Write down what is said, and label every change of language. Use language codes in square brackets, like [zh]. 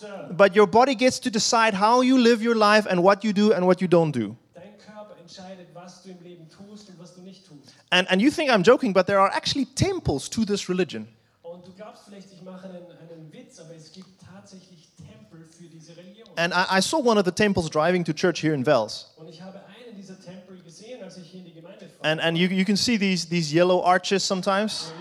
[en] But your body gets to decide how you live your life and what you do and what you don't do. [de] Dein Körper entscheidet, was du im Leben tust und was du nicht tust. [en] And you think I'm joking, but there are actually temples to this religion. [de] Und du glaubst vielleicht, ich mache einen Witz, aber es gibt tatsächlich Tempel für diese Religion. [en] And I saw one of the temples driving to church here in Vels. [de] Und ich habe einen dieser Tempel gesehen, als ich hier in die Gemeinde fuhr. [en] And you can see these yellow arches sometimes.